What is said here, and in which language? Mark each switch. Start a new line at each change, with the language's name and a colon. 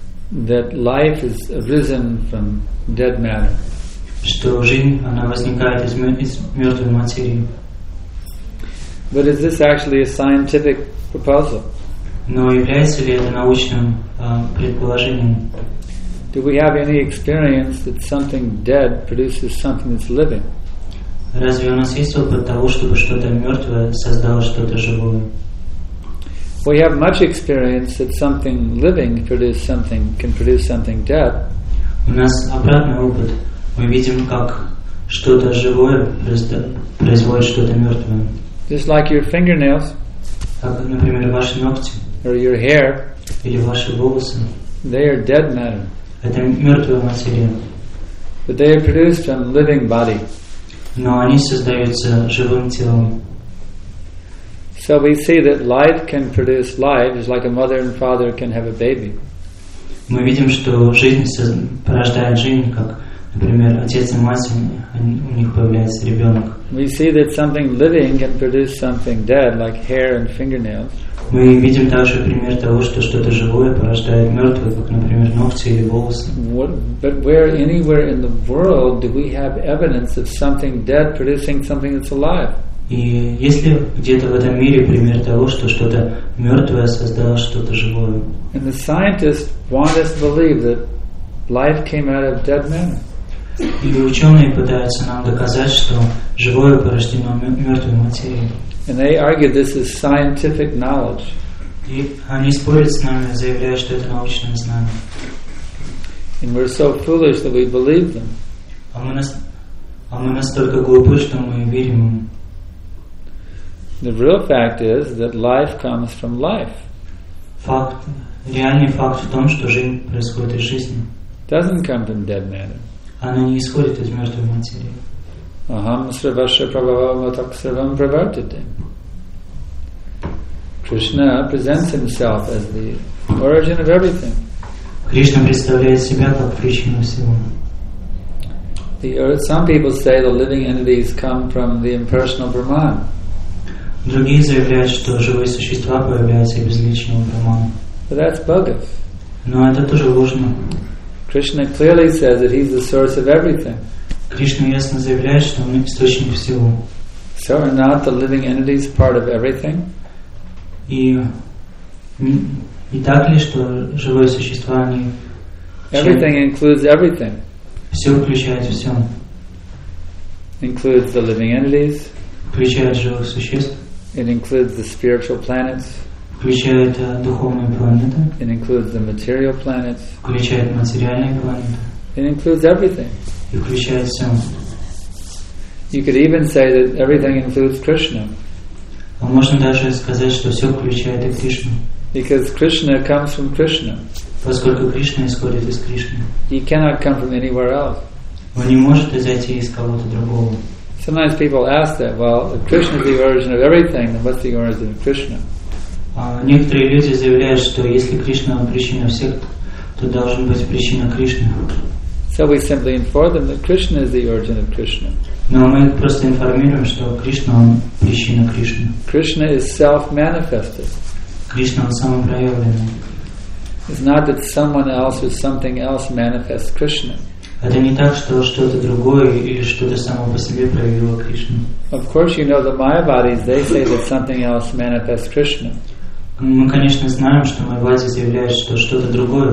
English: That life is arisen from dead matter.
Russian: Что жизнь, она возникает из мертвой материи.
English: But is this actually a scientific proposal?
Russian: Но является ли это научным предположением?
English: Do we have any experience that something dead produces something that's living?
Russian: Разве у нас есть опыт того, чтобы что-то мертвое создало что-то живое?
English: We have much experience that something living produces something, can produce something dead.
Russian: У нас обратный опыт. Мы видим, как что-то живое производит что-то мертвое.
English: Just like your fingernails.
Russian: Так, например, ваши ногти.
English: Or your hair.
Russian: Или ваши волосы.
English: They are dead matter.
Russian: Это мертвая материя.
English: But they are produced from living body.
Russian: Но они создаются живым телом.
English: So we see that life can produce life, just like a mother and father can have a baby.
Russian: Мы видим, что жизнь порождает жизнь, как, например, отец и мать, у них появляется ребенок.
English: We see that something living can produce something dead, like hair and fingernails.
Russian: Мы видим также пример того, что что-то живое порождает мертвое, как, например, ногти или волосы.
English: But where anywhere in the world do we have evidence of something dead producing something that's alive?
Russian: И есть ли где-то в этом мире пример того, что что-то мертвое создало что-то живое?
English: And the scientists want us to believe that life came out of dead men.
Russian: И ученые пытаются нам доказать, что живое порождено мертвой материей.
English: And they argue this is scientific knowledge.
Russian: И они спорят с нами, заявляя, что это научное знание.
English: And we're so foolish that we believe them.
Russian: А мы настолько глупы, что мы верим им.
English: The real fact is that life comes from life.
Russian: Факт, реальный факт в том, что жизнь происходит из жизни.
English: Doesn't come from dead matter.
Russian: Она не исходит из мертвой материи.
Sanskrit: Aham sravasya prabhavama tak sravam pravartate.
English: Krishna presents himself as the origin of everything.
Russian: Krishna представляет себя как причину всего.
English: The earth, some people say the living entities come from the impersonal Brahman.
Russian: Другие заявляют, что живые существа появляются из личного Брахмана.
English: But that's bogus.
Russian: Но это тоже ложно.
English: Krishna clearly says that he's the source of everything.
Russian: Кришна ясно заявляет, что он источник всего.
English: So are not the living entities part of everything?
Russian: И так ли, что живые существа, они...
English: Everything includes everything.
Russian: Все включает все.
English: Includes the living entities.
Russian: Включает живых существ.
English: It includes the spiritual planets.
Russian: Включает духовные планеты.
English: It includes the material planets.
Russian: Включает материальные планеты.
English: It includes everything.
Russian: И включает все.
English: You could even say that everything includes Krishna.
Russian: А можно даже сказать, что все включает и Кришну.
English: Because Krishna comes from Krishna.
Russian: Поскольку Кришна исходит из Кришны.
English: He cannot come from anywhere else.
Russian: Он не может изойти из кого-то другого.
English: Sometimes people ask that, well, if Krishna is the origin of everything, then what's the origin of Krishna?
Russian: Некоторые люди заявляют, что если Кришна причина всех, то должен быть причина Кришны.
English: So we simply inform them that Krishna is the origin of Krishna.
Russian: Но мы просто информируем, что Кришна он причина Кришны.
English: Krishna is self-manifested.
Russian: Кришна он самопроявленный.
English: It's not that someone else or something else manifests Krishna.
Russian: Это не так, что что-то другое или что-то само по себе проявило Кришну.
English: Of course, you know the Mayavadis. They say that something else manifests Krishna.
Russian: Мы, конечно, знаем, что Майявади заявляют, что что-то другое